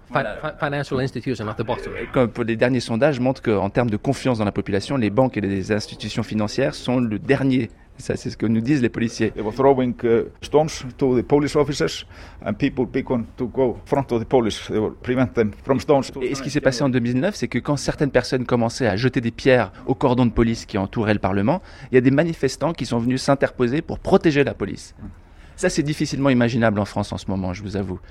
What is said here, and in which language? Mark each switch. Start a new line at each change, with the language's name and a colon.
English: Financial institutions at the bottom.
French: Comme pour les derniers sondages montrent qu'en termes de confiance dans la population, les banques et les institutions financières sont le dernier Ça, c'est ce que nous disent les policiers.
English: They were throwing stones to the police officers and people began to go front of the police. They were prevent them from stones.
French: Et ce qui s'est passé en 2009, c'est que quand certaines personnes commençaient à jeter des pierres au cordon de police qui entourait le Parlement, il y a des manifestants qui sont venus s'interposer pour protéger la police. Ça, c'est difficilement imaginable en France en ce moment, je vous avoue.